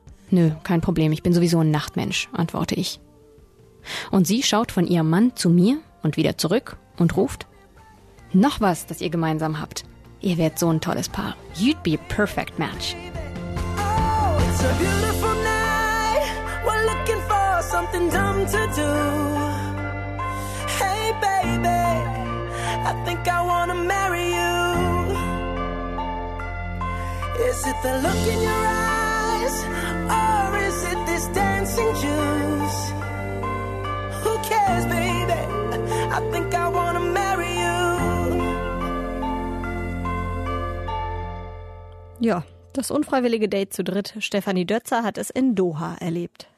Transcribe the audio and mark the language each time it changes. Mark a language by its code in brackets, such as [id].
[de] Nö, kein Problem, ich bin sowieso ein Nachtmensch, antworte ich. Und sie schaut von ihrem Mann zu mir und wieder zurück und ruft, noch was, das ihr gemeinsam habt. Ihr wärt so ein tolles Paar. [en] You'd be a perfect match. a beautiful night. We're looking for something dumb to do. Hey, baby, I think I want to marry you. Is it the look in your eyes? Or is it this dancing juice? Who cares, baby? I think I want to marry you. [de] Ja, das unfreiwillige Date zu dritt. Stefanie Dötzer hat es in Doha erlebt.